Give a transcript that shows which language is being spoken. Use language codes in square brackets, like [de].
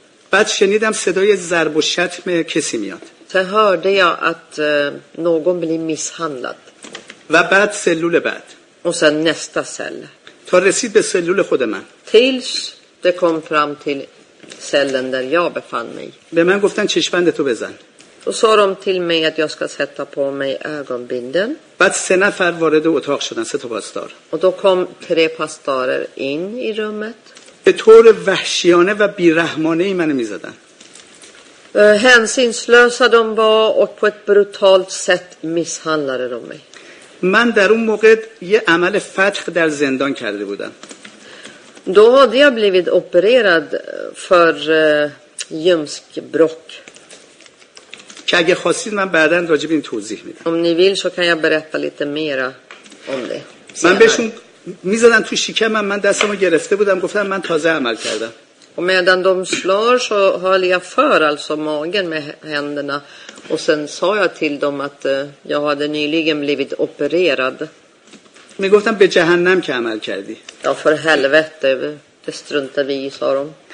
[fa] بعد شنیدم صدای ضرب و شتم کسی میاد. [sv] Sen hörde jag att någon blir misshandlad. [fa] و بعد سلول بعد. [sv] Och sen nästa cell. [fa] تا رسید به سلول خود من. [sv] Tills det kom fram till cellen där jag befann mig. [fa] به من گفتن چشمندت رو بزن. [sv] Och sa de till mig att jag ska sätta på mig ögonbinden. [fa] بعد سه نفر وارد اتاق شدن. سه تا پاسدار. [sv] Och då kom tre pastorer in i rummet. [fa] به طور وحشیانه و بیرحمانه ای منو میزدن. [sv] Hänsynslösa de var och på ett brutalt sätt misshandlade de mig. [fa] من در اون موقع یه عمل فتح در زندان کرده بودم. [sv] Då hade jag blivit opererad för ljumskbråck. [fa] که اگه خواستید من بعداً راجع به این توضیح میدم. [sv] Om ni vill så kan jag berätta lite mera om det. [fa] من بهشون میزدن تو شکم من دستمو گرفته بودم گفتم من تازه عمل کردم. [sv] Och medan de slår så höll jag för alltså magen med händerna. Och sen sa jag till dem att jag hade nyligen blivit opererad. Men gott han bete jahannam ke amal kardi. Ja, för helvete, det struntar vi i, sa de.